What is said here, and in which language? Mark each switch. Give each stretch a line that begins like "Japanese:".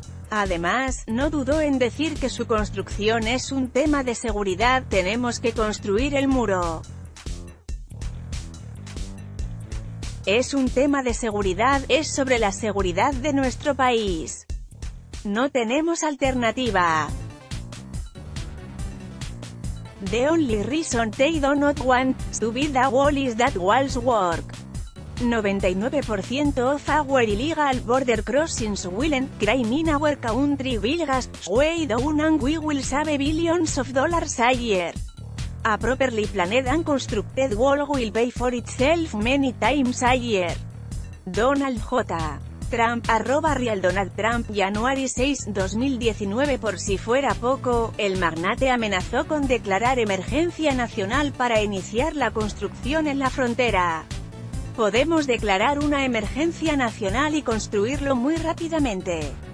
Spanish: Además, no dudó en decir que su construcción es un tema de seguridad, tenemos que construir el muro. Es un tema de seguridad, es sobre la seguridad de nuestro país. No tenemos alternativa.
English: The only reason they do not want to build the wall is that walls work. 99% of our illegal border crossings will end, crime in our country will gas, way down and we will save billions of dollars a year. A properly planned and constructed wall will pay for itself many times a year. Donald J. Trump, @RealDonaldTrump, January 6, 2019.
Spanish: Por si fuera poco, el magnate amenazó con declarar emergencia nacional para iniciar la construcción en la frontera. Podemos declarar una emergencia nacional y construirlo muy rápidamente.